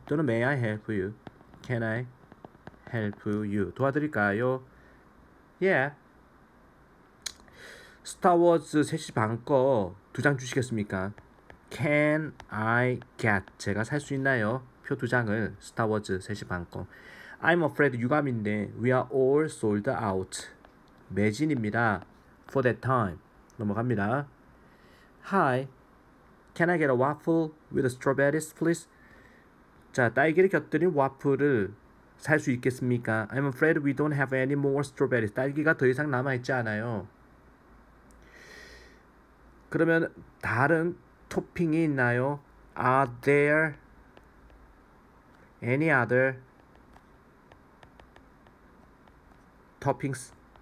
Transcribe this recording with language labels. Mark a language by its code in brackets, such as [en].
[ko] 또는 [en] May I help you? Can I help you? [ko] 도와드릴까요? [en] Yeah. [ko] 스타워즈 3시 반거두장 주시겠습니까? [en] Can I get [ko] 제가 살수 있나요? 표두 장을 스타워즈 3시 반 거. [en] I'm afraid [ko] 유감인데 [en] we are all sold out. [ko] 매진입니다. [en] For that time. [ko] 넘어갑니다. Hi. [en] Can I get a waffle with strawberries, please? [ko] 자, 딸기를 곁들인 와플을 살수 있겠습니까? [en] I'm afraid we don't have any more strawberries. [ko] 딸기가 더 이상 남아 있지 않아요. 그러면 다른 토핑이 있나요? [en] Are there any other toppings?